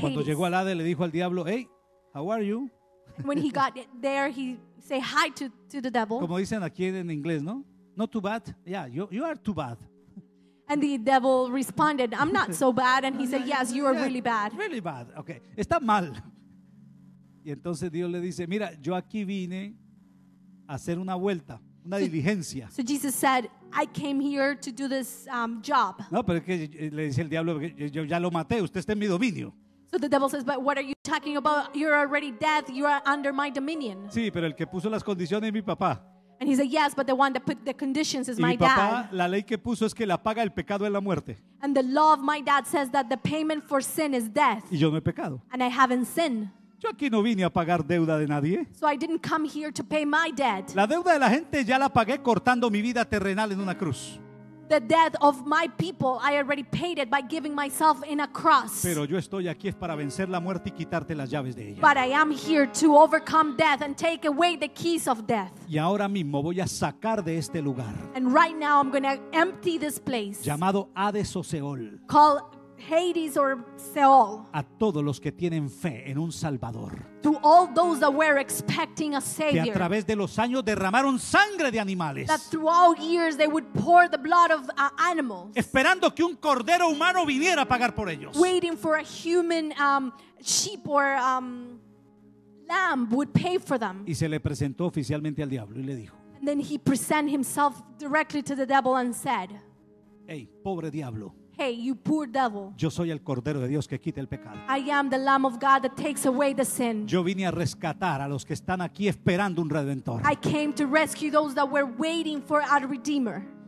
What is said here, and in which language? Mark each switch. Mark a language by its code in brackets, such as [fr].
[es] Cuando llegó al Hades le dijo al diablo, [en] hey, how are you? When he got there, he say hi to the devil. [es] Como dicen aquí en inglés, ¿no? [en] Not too bad. Yeah, you are too bad. And the devil responded, I'm not so bad. And he said, yes, you are really bad. Really bad. Okay, [es] está mal. Y entonces Dios le dice, mira, yo aquí vine a hacer una vuelta. Una diligencia. [en] So Jesus said, I came here to do this job. [es] No, pero es que le dice el diablo, yo ya lo maté, usted está en mi dominio. [en] So the devil says, but what are you talking about? You're already dead, you are under my dominion. [es] Sí, pero el que puso las condiciones es mi papá. [en] And he said, yes, but the one that put the conditions is [es] y [en] my [es] mi papá, [en] dad. [es] La ley que puso es que la paga el pecado es la muerte. [en] And the law of my dad says that the payment for sin is death. [es] Y yo no he pecado. [en] And I haven't sinned. [es] Yo aquí no vine a pagar deuda de nadie. [en] So I didn't come here to pay my debt. [es] La deuda de la gente ya la pagué cortando mi vida terrenal en una cruz. [en] The debt of my people, I already paid it by giving myself in a cross. [es] Pero yo estoy aquí es para vencer la muerte y quitarte las llaves de ella. [en] But I am here to overcome death and take away the keys of death. [es] Y ahora mismo voy a sacar de este lugar. [en] And right now I'm going to empty this place. [es] Llamado Hades o Seol. [en] Called Hades or Seol. [es] A todos los que tienen fe en un Salvador. [en] To all those that were expecting a Savior. [es] Que a través de los años derramaron sangre de animales. [en] That throughout years they would pour the blood of animals. [es] Esperando que un cordero humano viniera a pagar por ellos. [en] Waiting for a human sheep or lamb would pay for them. [es] Y se le presentó oficialmente al diablo y le dijo. [en] And then he presented himself directly to the devil and said, [es] "Hey, pobre diablo. [en] Hey, you poor devil. [es] Yo soy el cordero de Dios que quita el pecado. [en] I am the lamb of God that takes away the sin. [es] Yo vine a rescatar a los que están aquí esperando un redentor. [en] I came to rescue those that were waiting for a redeemer."